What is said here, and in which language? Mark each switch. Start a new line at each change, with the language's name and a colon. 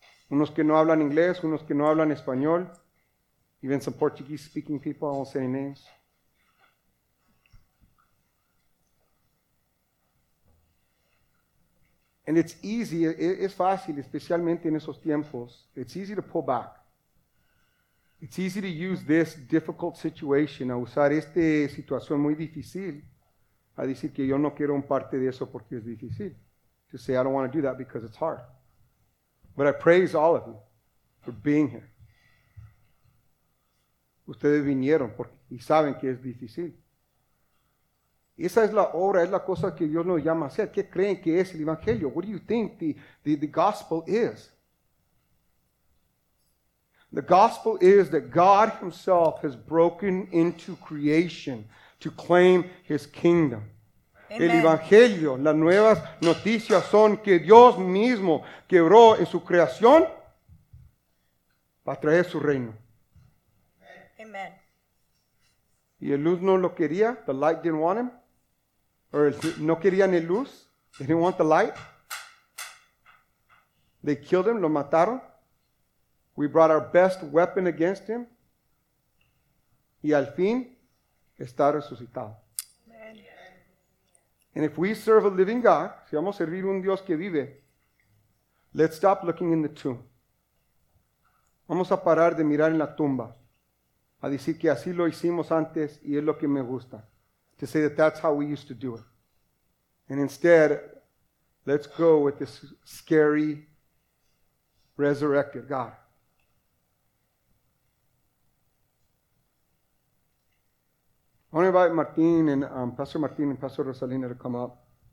Spanish: Unos que no hablan inglés, unos que no hablan español.
English: Even some Portuguese speaking people, I won't say names. And it's easy,
Spanish: es fácil, especialmente en esos tiempos,
English: it's easy to pull back. It's easy to use this difficult situation, a usar esta situación muy difícil, a decir que yo no quiero un parte de eso porque es difícil. To say, I don't want to do that because it's hard. But I praise all of you for being here.
Spanish: Ustedes vinieron porque, y saben que es difícil. Esa es la obra, es la cosa que Dios nos llama a hacer. ¿Qué creen que es el Evangelio?
English: What do you think the gospel is? The gospel is that God himself has broken into creation to claim his kingdom.
Spanish: Amen. El Evangelio, las nuevas noticias son que Dios mismo quebró en su creación para traer su reino. Amen. Y el luz no lo quería,
English: the light didn't want him. Or
Spanish: no querían el luz,
English: they didn't want the light. They killed him,
Spanish: lo mataron.
English: We brought our best weapon against him.
Spanish: Y al fin, está resucitado. Amen.
English: And if we serve a living God,
Spanish: si vamos a servir un Dios que vive,
English: let's stop looking in the tomb.
Spanish: Vamos a parar de mirar en la tumba. A decir que así lo hicimos antes y es lo que me gusta.
English: To say that that's how we used to do it. And instead, let's go with this scary, resurrected God. I want to invite Martin and Pastor Martin and Pastor Rosalina to come up.